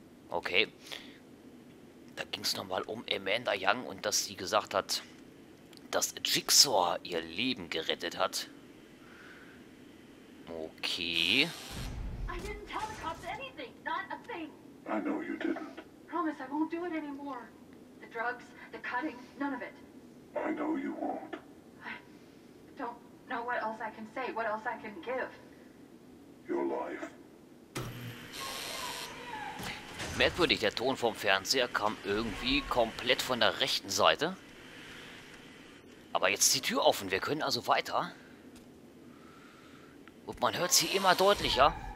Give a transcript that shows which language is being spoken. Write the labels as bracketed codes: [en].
[de] Okay. Da ging es nochmal um Amanda Young und dass sie gesagt hat, dass Jigsaw ihr Leben gerettet hat. Okay. [en] I didn't tell the cops anything, not a thing. I know you didn't. Promise I won't do it anymore. The drugs, the cutting, none of it. I know you won't. I don't know what else I can say, what else I can give. Your life. [de] Merkwürdig, der Ton vom Fernseher kam irgendwie komplett von der rechten Seite. Aber jetzt ist die Tür offen, wir können also weiter. Und man hört sie immer deutlicher.